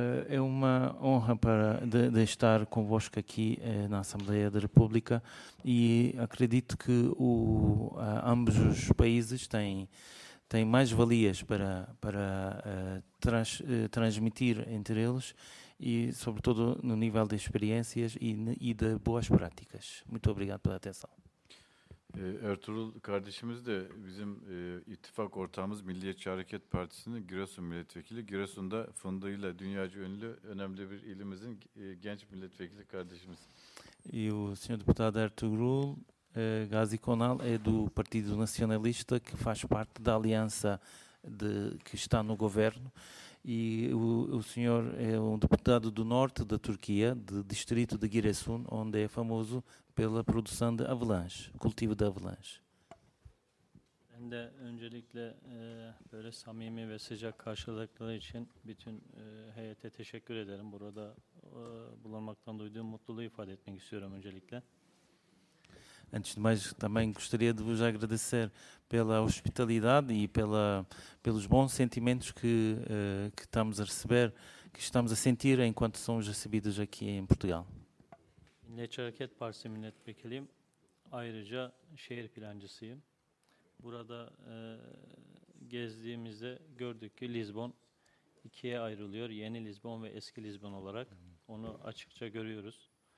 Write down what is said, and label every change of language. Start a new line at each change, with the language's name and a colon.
Portuguese: É uma honra de estar convosco aqui na Assembleia da República e acredito que ambos os países têm mais valias para transmitir entre eles e, sobretudo, no nível de experiências e de boas práticas. Muito obrigado pela atenção.
Turkish: Ertuğrul kardeşimiz de bizim ittifak ortağımız Milliyetçi Hareket Partisi'nin Giresun milletvekili. Giresun'da fındığıyla dünyaca ünlü önemli bir ilimizin genç milletvekili kardeşimiz.
Portuguese: E o senhor deputado Ertuğrul Gazi Konal é do Partido Nacionalista que faz parte da aliança que está no governo. E o senhor é um deputado do norte da Turquia, do distrito de Giresun, onde é famoso pela produção de avelãs, cultivo de avelãs.
Turkish: de öncelikle böyle samimi ve sıcak karşılıkları için bütün heyete teşekkür ederim. Burada bulunmaktan duyduğum mutluluğu ifade etmek istiyorum öncelikle.
Portuguese: Antes de mais, também gostaria de vos agradecer pela hospitalidade e pelos bons sentimentos que estamos a receber, que estamos a sentir enquanto somos recebidos aqui em Portugal.
Turkish: Milletçi Hareket Partisi milletvekiliyim. Ayrıca şehir plancısıyım. Burada gezdiğimizde gördük ki Lizbon ikiye ayrılıyor. Yeni Lizbon ve eski Lizbon olarak onu açıkça görüyoruz.